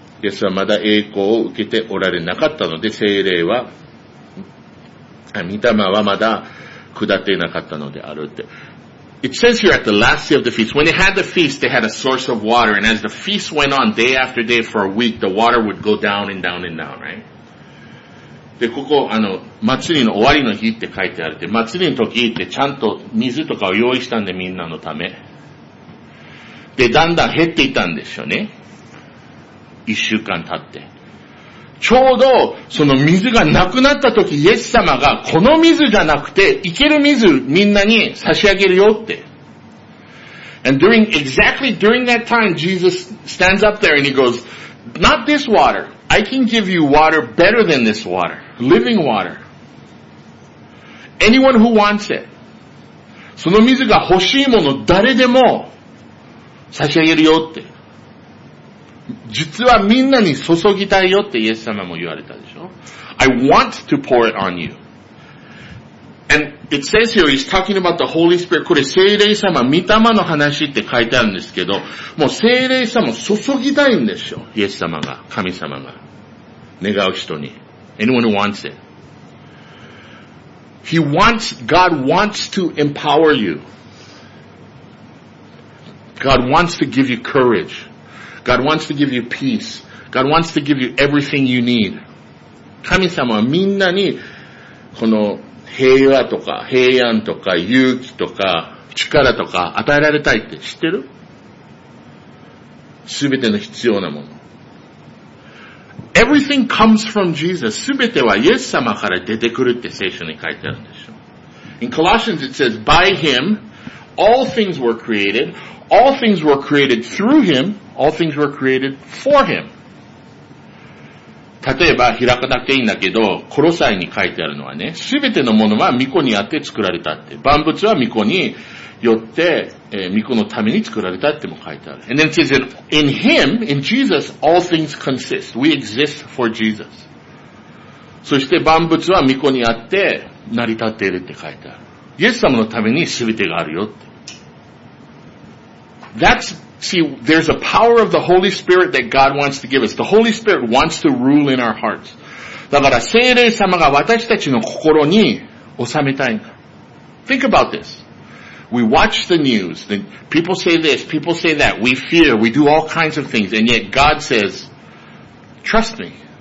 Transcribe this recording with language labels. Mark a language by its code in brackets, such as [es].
[ja] イエスはまだ栄光を受けておられなかったので聖霊は御霊はまだ下っていなかったのであるって。 [en] It says here at the last day of the feast, when they had the feast, they had a source of water, and as the feast went on day after day for a week, the water would go down and down and down, right? [ja] で、ここ、祭りの終わりの日って書いてあるって、祭りの時ってちゃんと水とかを用意したんで、みんなのため。で、だんだん減っていたんですよね。一週間経って。ちょうど、その水がなくなった時、イエス様が、この水じゃなくて、いける水、みんなに差し上げるよって。 [en] And during, exactly during that time, Jesus stands up there and he goes, not this water. I can give you water better than this water. Living water. Anyone who wants it. [ja] その水が欲しいもの誰でも差し上げるよって。実はみんなに注ぎたいよってイエス様も言われたでしょ。 [en] I want to pour it on you. And it says here, he's talking about the Holy Spirit. [ja] これ聖霊様、御霊の話って書いてあるんですけど、もう聖霊様注ぎたいんでしょ。イエス様が、神様が。願う人に。 [en] Anyone who wants it. He wants, God wants to empower you. God wants to give you courage. God wants to give you peace. God wants to give you everything you need. [ja] 神様はみんなに、この平和とか、平安とか、勇気とか、力とか与えられたいって知ってる？すべての必要なもの。 [en] Everything comes from Jesus. [ja] すべてはイエス様から出てくるって聖書に書いてあるんでしょ。 [en] In Colossians it says, by him, all things were created. All things were created through him. All things were created for him. [ja] 例えば開かなくていいんだけど、コロサイに書いてあるのはね、すべてのものは御子にあって作られたって。万物は御子によって、御子のために作られたっても書いてある。 [en] And then it says, in him, in Jesus, all things consist. We exist for Jesus. [ja] そして万物は御子にあって成り立っているって書いてある。イエス様のために全てがあるよって。 [en] That's, see, there's a power of the Holy Spirit that God wants to give us. The Holy Spirit wants to rule in our hearts. [ja] だから聖霊様が私たちの心に収めたいんだ。 [en] Think about this. We watch the news, then people say this, people say that, we fear, we do all kinds of things, and yet God says, trust me.